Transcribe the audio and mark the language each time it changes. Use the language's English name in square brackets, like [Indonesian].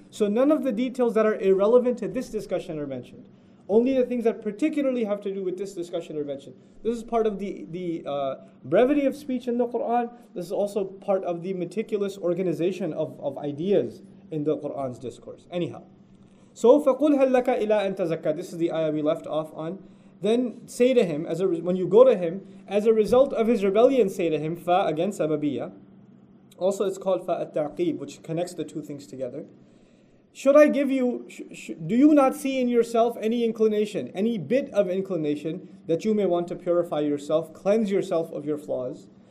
[English] So none of the details that are irrelevant to this discussion are mentioned. Only the things that particularly have to do with this discussion are mentioned. This is part of the brevity of speech in the Qur'an. This is also part of the meticulous organization of ideas in the Qur'an's discourse. Anyhow, so [Arabic] فَقُلْ هَلْ لَكَ إِلَىٰ أَن تَزَكَّى. [English] This is the ayah we left off on. Then say to him, when you go to him, as a result of his rebellion, say to him, fa again, sababiyya. Also it's called fa at-ta'qib, which connects the two things together. Should I give you, do you not see in yourself any inclination, any bit of inclination, that you may want to purify yourself, cleanse yourself of your flaws?